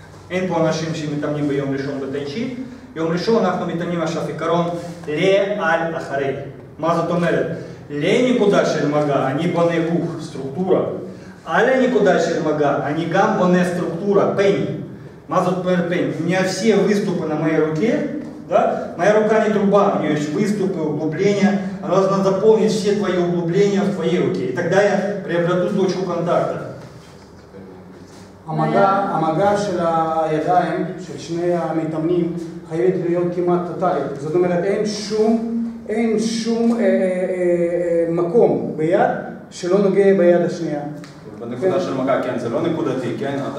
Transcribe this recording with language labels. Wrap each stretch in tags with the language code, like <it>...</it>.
<he>אין פה אנשים שמתאמנים ביום ראשון בטאי-צ'י. יום ראשון אנחנו מתאמנים עכשיו עיקרון לעל אחרי. מה זאת אומרת? לנקודה של מגע אני בונה גוף, סטרוקטורה. על הנקודה של מגע אני גם בונה סטרוקטורה, פיין. מה זאת אומרת פיין?</he> <ru>У меня все выступы на моей руке, да? Моя рука не труба, у нее есть выступы, углубления. Она должна заполнить все твои углубления в твоей руке. И тогда я приобрету точку контакта.</ru> <he>המגע של הידיים, של שני המתאמנים, חייבת להיות כמעט טוטלית. זאת אומרת, אין שום מקום ביד שלא נוגע ביד השנייה. בנקודה של מגע, כן, זה לא נקודתי, כן?</he>